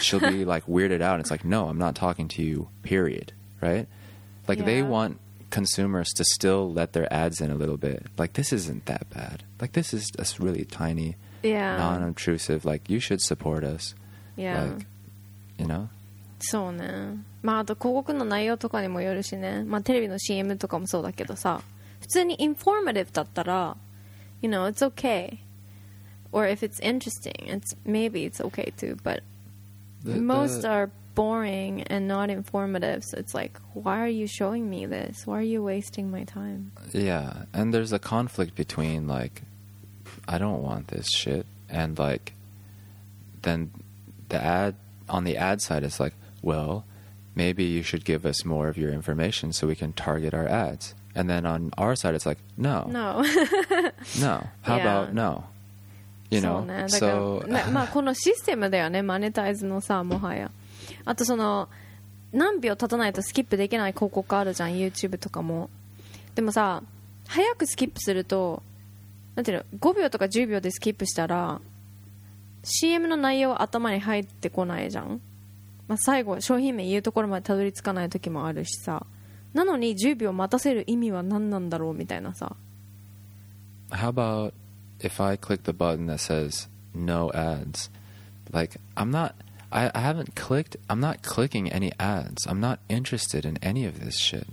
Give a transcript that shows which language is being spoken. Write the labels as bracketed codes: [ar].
[en] She'll be, like, weirded out. It's like, no, I'm not talking to you, period. Right? Like, they want consumers to still let their ads in a little bit. Like, this isn't that bad. Like, this is a really tiny, non-obtrusive, like, you should support us. Yeah. Like, you know? [ja] そうね。まあ、あと広告の内容とかにもよるしね。まあ、テレビの CM とかもそうだけどさ。普通に [en] informative [ja] だったら、 [en] you know, it's okay. Or if it's interesting, maybe it's okay too, but most are boring and not informative. So it's like, why are you showing me this? Why are you wasting my time? Yeah, and there's a conflict between like, I don't want this shit. And like, then the ad on the ad side is like, well, maybe you should give us more of your information so we can target our ads. And then on our side, it's like, no. No. No. How about no? You know? [ja] そうね。だから、まあ、このシステムだよね、マネタイズのさ、もはや。あと、その、何秒経たないとスキップできない広告あるじゃん、YouTube とかも。でもさ、早くスキップすると、なんていうの、5秒とか10秒でスキップしたら、CM の内容は頭に入ってこないじゃん。まあ、最後、商品名言うところまでたどり着かない時もあるしさ。なのに、10秒待たせる意味は何なんだろう、みたいなさ。 [en] How about... If I click the button that says no ads, like I'm not clicking any ads. I'm not interested in any of this shit.